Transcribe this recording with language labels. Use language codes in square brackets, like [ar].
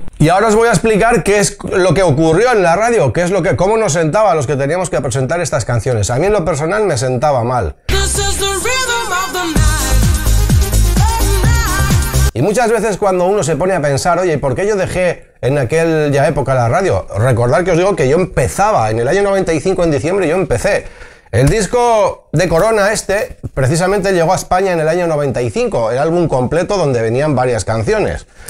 [es] Y ahora os voy a explicar qué es lo que ocurrió en la radio, qué es lo que, cómo nos sentaba a los que teníamos que presentar estas canciones. A mí en lo personal me sentaba mal. [en] This is the rhythm of the night. [es] Y muchas veces cuando uno se pone a pensar, oye, ¿por qué yo dejé en aquella época la radio? Recordad que os digo que yo empezaba en el año 95, en diciembre, yo empecé. El disco de Corona este, precisamente llegó a España en el año 95, el álbum completo donde venían varias canciones.